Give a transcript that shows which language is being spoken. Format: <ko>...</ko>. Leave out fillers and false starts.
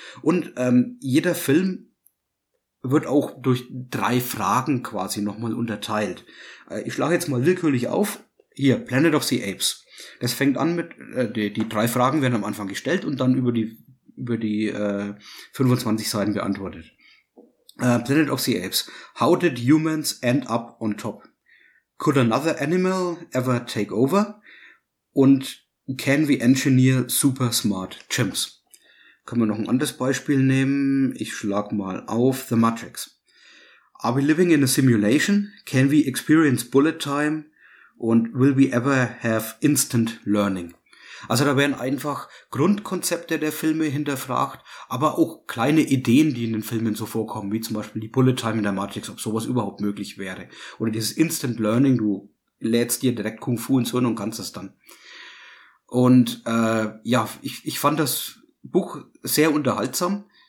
<de>Und jeder Film wird auch durch drei Fragen quasi nochmal unterteilt. Ich schlage jetzt mal willkürlich auf. Hier, Planet of the Apes. Das fängt an mit, die drei Fragen werden am Anfang gestellt und dann über die 25 Seiten beantwortet. Planet of the Apes.</de> <en>How did humans end up on top? Could another animal ever take over? Und can we engineer super smart chimps?</en> <de>Können wir noch ein anderes Beispiel nehmen? Ich schlag mal auf The Matrix.</de> <en>Are we living in a simulation? Can we experience bullet time? Und will we ever have instant learning?</en> <de>Also da werden einfach Grundkonzepte der Filme hinterfragt, aber auch kleine Ideen, die in den Filmen so vorkommen, wie zum Beispiel die Bullet Time in der Matrix, ob sowas überhaupt möglich wäre. Oder dieses Instant Learning, du lädst dir direkt Kung Fu ins Hirn und kannst es dann. Und ich fand das Buch sehr unterhaltsam.</de>